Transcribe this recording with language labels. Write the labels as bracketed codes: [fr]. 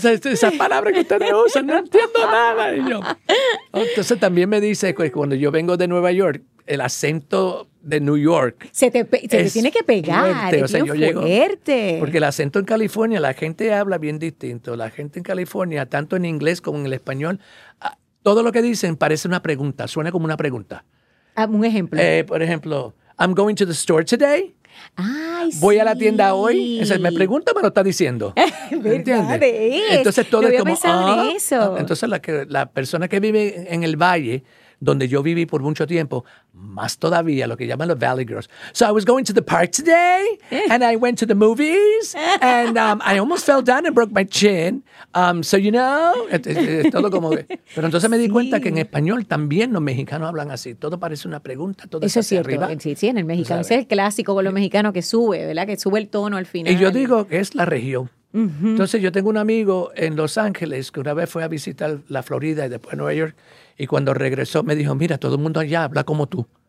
[es] Esa palabra que ustedes usan, no entiendo nada. Y yo, entonces también me dice, pues, cuando yo vengo de Nueva York, el acento de New York se te tiene que pegar, fuerte. O sea, yo llego fuerte. Porque el acento en California, la gente habla bien distinto. La gente en California, tanto en inglés como en el español, todo lo que dicen parece una pregunta, suena como una pregunta. Un ejemplo. Por ejemplo, I'm going to the store today. Ay, voy sí a la tienda hoy. O sea, me pregunta, me lo está diciendo. ¿Entiendes? Es. Entonces todo no es como, ah, en eso. Entonces la persona que vive en el valle, donde yo viví por mucho tiempo, más todavía, lo que llaman los Valley Girls. [en] So I was going to the park today, and I went to the movies, and I almost fell down and broke my chin. So, you know, [es] es todo como... Pero entonces me di cuenta que en español también los mexicanos hablan así. Todo parece una pregunta, todo eso está arriba. Eso es cierto, sí, en el mexicano. Ese es el clásico con los mexicanos que sube, ¿verdad? Que sube el tono al final. Y yo digo que es la región. Entonces, yo tengo un amigo en Los Ángeles que una vez fue a visitar la Florida y después Nueva York, y cuando regresó me dijo, mira, todo el mundo allá habla como tú.